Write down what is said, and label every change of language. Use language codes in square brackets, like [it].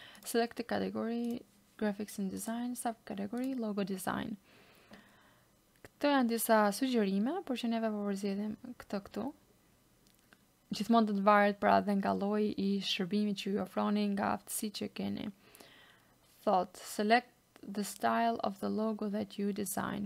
[en] Select the category graphics and design, subcategory logo design. [sq] Këto janë disa sugjerime, por që neve po përzgjedhim këtë këtu. Gjithmonë do të varet pra dhe nga lloji i shërbimit që ju ofroni, nga aftësitë që keni. [en] Thot, select the style of the logo that you design.